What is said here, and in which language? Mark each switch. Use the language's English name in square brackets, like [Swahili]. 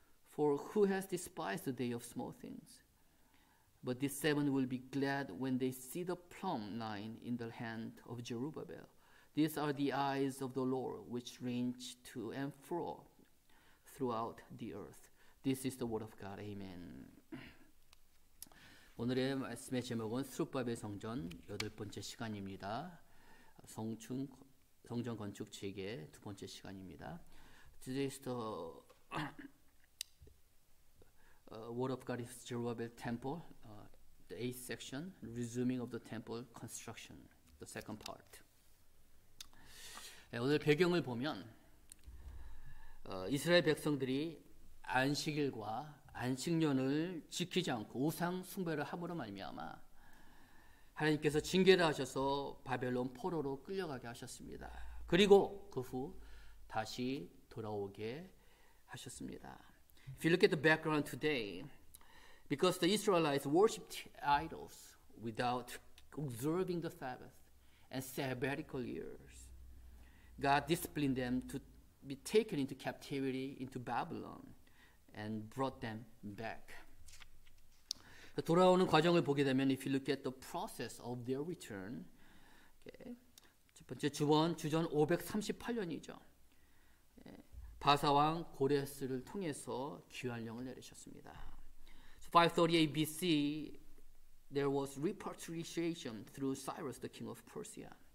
[English] For who has despised the day of small things? But these seven will be glad when they see the plumb line in the hand of Zerubbabel. These are the eyes of the Lord, which range to and fro throughout the earth. This is the word of God. Amen. [Korean] 오늘의 말씀의 제목은 스룹바벨 성전 여덟 번째 시간입니다. 성전 건축 재개 두 번째 시간입니다. [English] Today is the Word of God is Zerubbabel Temple, the eighth section, resuming of the temple construction, the second part. [Korean] 네, 오늘 배경을 보면 이스라엘 백성들이 안식일과 안식년을 지키지 않고 우상 숭배를 함으로 말미암아 하나님께서 징계를 하셔서 바벨론 포로로 끌려가게 하셨습니다. 그리고 그 후 다시 돌아오게 하셨습니다. [English] If you look at the background today, because the Israelites worshipped idols without observing the Sabbath and sabbatical years, God disciplined them to be taken into captivity into Babylon and brought them back. [Korean] 돌아오는 과정을 보게 되면, [English] if you look at the process of their return, okay, [Korean] 첫 번째 주전 538년이죠. 바사왕 고레스를 통해서 귀환령을 내리셨습니다. [English] So 538 BC, there was repatriation through Cyrus, the king of Persia.